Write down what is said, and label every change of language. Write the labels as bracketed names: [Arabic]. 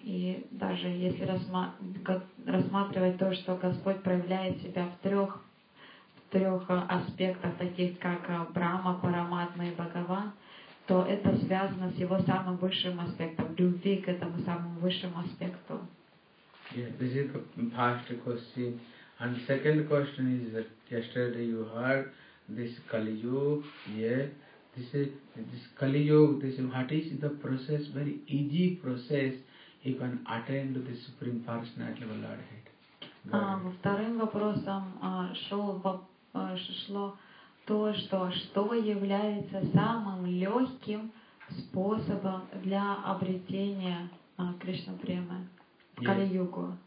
[Russian] И даже если рассматривать то, что Господь проявляет себя в трех аспектах, таких как Брахма, Параматма и Бхагаван, то это связано с его самым высшим аспектом, любви к этому самому высшему аспекту. [English] Yeah, this is the first question. And second question is that yesterday you heard this Kali Yuga. Yeah, this Kali Yuga, this what is the process, very easy process, you can attend to the Supreme Personality of Godhead. [Russian] Вторым вопросом шло что является самым легким способом для обретения Кришна премы в Кали-югу.